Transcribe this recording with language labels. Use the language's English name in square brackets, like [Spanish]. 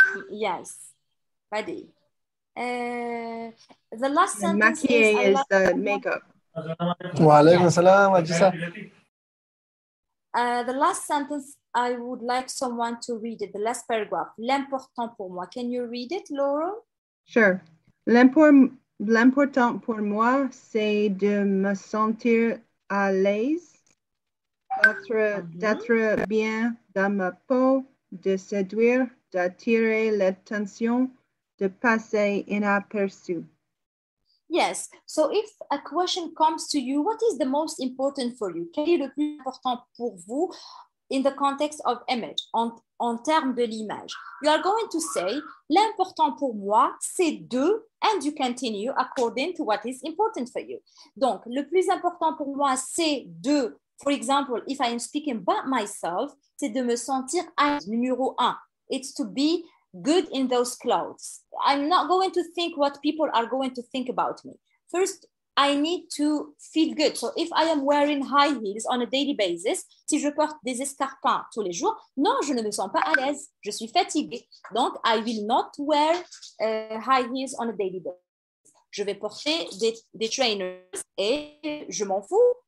[English] Yes, body. The last sentence [French] maquillé [English] is the makeup. [Arabic] Wa alaykum assalam, Ajisa. [English] The last sentence, I would like someone to read it, the last paragraph. [French] L'important pour moi. [English] Can you read it, Laurel? Sure. [French] L'important pour moi, c'est de me sentir à l'aise, d'être bien dans ma peau, de séduire, d'attirer l'attention, de passer inaperçu. [English] Yes. So if a question comes to you, what is the most important for you? [French] Quel est le plus important pour vous [English] in the context of image, [French] en termes de l'image? [English] You are going to say, [French] l'important pour moi, c'est de, [English] and you continue according to what is important for you. [French] Donc, le plus important pour moi, c'est de, [English] for example, if I am speaking about myself, [French] c'est de me sentir à numéro un. [English] It's to be good in those clothes. I'm not going to think what people are going to think about me. First, I need to feel good. So if I am wearing high heels on a daily basis, [French] si je porte des escarpins tous les jours, non, je ne me sens pas à l'aise. Je suis fatiguée. [English] Donc, I will not wear high heels on a daily basis. [French] Je vais porter des trainers et je m'en fous.